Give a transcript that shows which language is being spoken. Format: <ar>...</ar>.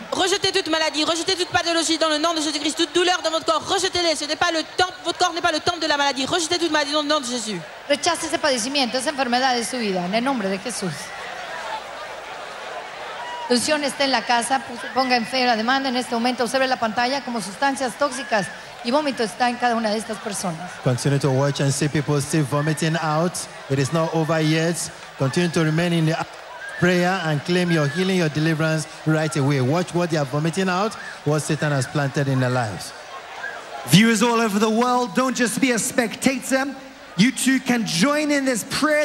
<fr>Rejetez toute maladie, rejetez toute pathologie dans le nom de Jésus-Christ. Toute douleur dans votre corps, rejetez-les. Ce n'est pas le temple, votre corps n'est pas le temple de la maladie. Rejetez toute maladie dans le nom de Jésus.</fr> <es>Rechazez ce padecimiento, esa enfermedad de su vida, en el nombre de Jesús. Unción está en la casa, ponga en fe la demanda en este momento, observe la pantalla como sustancias tóxicas y vómito está en cada una de estas personas.</es> <en>Continue to watch and see people still vomiting out. It is not over yet. Continue to remain in the prayer and claim your healing, your deliverance right away. Watch what they are vomiting out, what Satan has planted in their lives. Viewers all over the world, don't just be a spectator. You too can join in this prayer.</en>